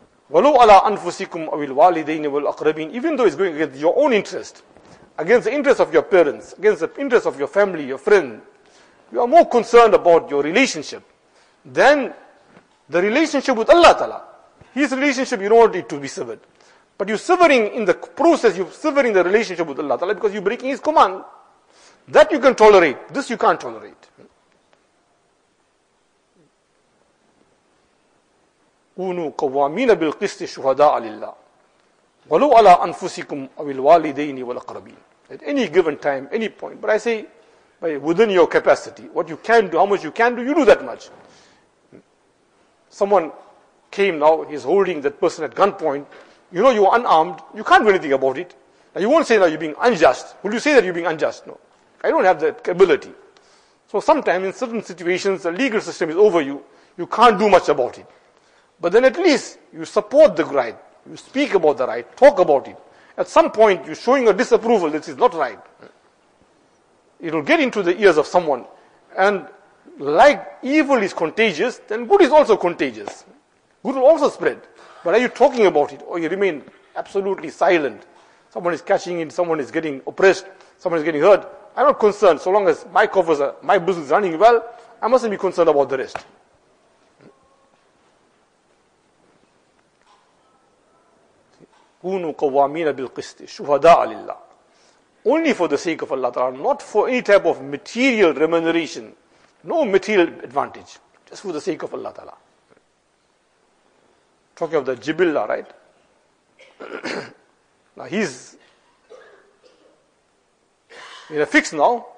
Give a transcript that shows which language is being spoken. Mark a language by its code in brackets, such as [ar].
[ar] Walau ala anfusikum awil walidayni wal aqrabin. [en] Even though it's going against your own interest, against the interest of your parents, against the interest of your family, your friend, you are more concerned about your relationship than the relationship with Allah Ta'ala. His relationship, you don't want it to be severed. But you're severing in the process, you're severing the relationship with Allah Ta'ala because you're breaking His command. That you can tolerate, this you can't tolerate. [ar] كونوا قوامين بالقسط شهداء لله ولو على أنفسكم أو الوالدين والأقربين. [en] At any given time, any point. But I say, within your capacity, what you can do, how much you can do, you do that much. Someone came now, he's holding that person at gunpoint. You know you're unarmed, you can't do anything about it. Now you won't say that you're being unjust. Will you say that you're being unjust? No. I don't have that ability. So sometimes in certain situations, the legal system is over you. You can't do much about it. But then at least you support the right. You speak about the right, talk about it. At some point, you're showing a disapproval, this is not right. It will get into the ears of someone. And like evil is contagious, then good is also contagious. Good will also spread. But are you talking about it, or you remain absolutely silent? Someone is cashing in, someone is getting oppressed, someone is getting hurt. I'm not concerned. So long as my coffers are, my business is running well, I mustn't be concerned about the rest. [ar] كونوا قوامين بالقسط شهداء لله. [en] Only for the sake of Allah Ta'ala, not for any type of material remuneration, no material advantage, just for the sake of Allah Ta'ala. Talking of the Jibillah, right? Now he's in a fix now.